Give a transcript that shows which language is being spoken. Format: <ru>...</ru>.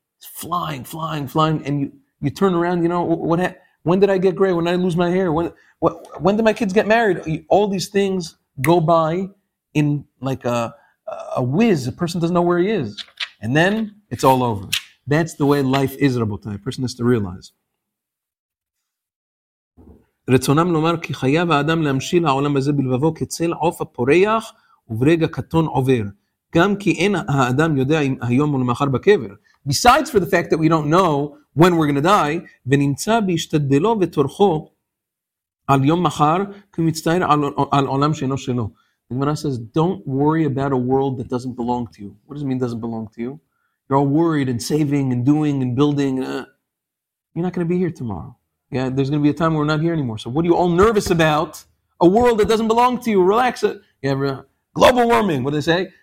<en>It's flying, flying, flying, and you turn around, you know, when did I get gray? When did I lose my hair? When did my kids get married? All these things go by in like a whiz. A person doesn't know where he is. And then it's all over. That's the way life is, Rabotai. A person has to realize.</en> <he>רצונם לומר כי חייב האדם להמשיל לעולם הזה בלבבו כצל עוף הפורח וברגע קטון עובר. גם כי אין האדם יודע אם היום או למחר בקבר.</he> <en>Besides for the fact that we don't know when we're going to die,</en> <he>ונמצא בהשתדלו ותורכו על יום מחר כמצטער על עולם שאינו שלו.</he> <en>The Gemara says, don't worry about a world that doesn't belong to you. What does it mean doesn't belong to you? You're all worried and saving and doing and building. You're not going to be here tomorrow. Yeah, there's going to be a time where we're not here anymore. So what are you all nervous about? A world that doesn't belong to you. Relax. Global warming, what do they say?</en>